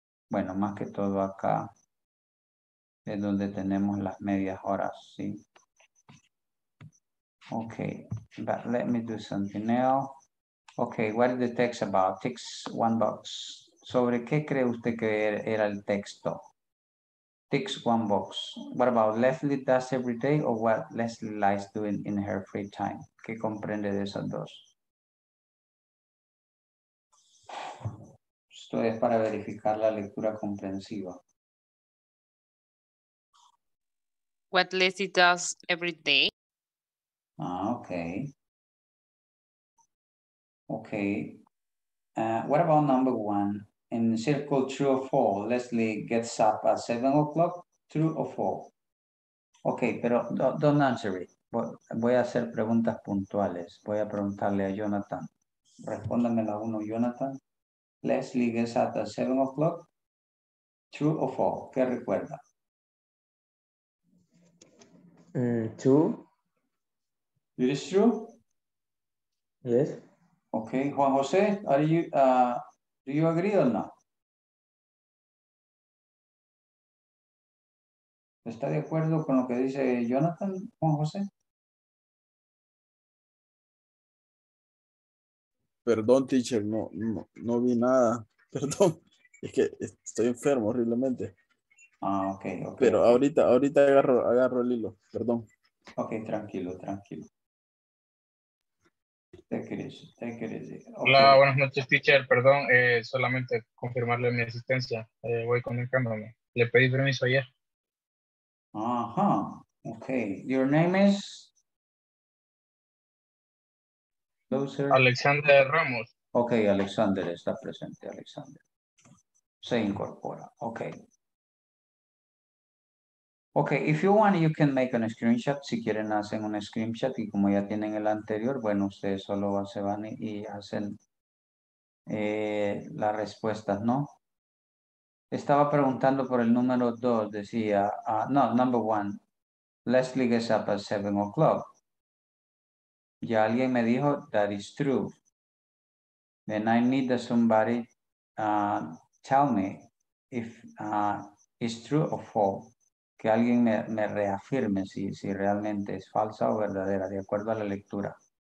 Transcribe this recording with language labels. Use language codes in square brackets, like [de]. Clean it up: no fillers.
[es] Bueno, más que todo acá es donde tenemos las medias horas, ¿sí? [en] Ok, but let me do something else. Ok, what is the text about? Text one box. [es] ¿Sobre qué cree usted que era el texto? [en] Ticks one box. What about Leslie does every day or what Leslie likes doing in her free time? [es] ¿Qué comprende de esas dos? Esto es para verificar la lectura comprensiva. [en] What Leslie does every day. Ah, okay. Okay. What about number one? in circle, true or false, Leslie gets up at 7 o'clock, true or false? [es] Okay, pero [en] don't answer it. [es] Voy a hacer preguntas puntuales. Voy a preguntarle a Jonathan. Respóndamela uno, Jonathan. [en] Leslie gets up at 7 o'clock, true or false? [es] ¿Qué recuerda? [en] True. It is true? Yes. Okay, Juan Jose, are you do you agree or not? [es] ¿Está de acuerdo con lo que dice Jonathan, Juan José? Perdón, teacher, no vi nada. Perdón, es que estoy enfermo horriblemente. [en] Ah, ok. [es] Pero ahorita agarro el hilo, perdón. Ok, tranquilo. [en] Take it easy. [es] Okay. Hola, buenas noches, teacher. Perdón, solamente confirmarle mi asistencia. Voy conectándome. Le pedí permiso ayer. [en] Ajá, ok. Your name is? Loser. Alexander Ramos. [es] Ok, Alexander está presente, Alexander. Se incorpora, ok. [en] Ok, if you want, you can make an screenshot. [es] Si quieren, hacen un screenshot y como ya tienen el anterior, bueno, ustedes solo se van y hacen las respuestas, ¿no? Estaba preguntando por el número 2, decía, [en] number 1, Leslie gets up at 7 o'clock. [es] Ya alguien me dijo, [en] that is true. Then I need somebody tell me if it's true or false. [es] Que alguien me reafirme si realmente es falsa o verdadera, de acuerdo a la lectura.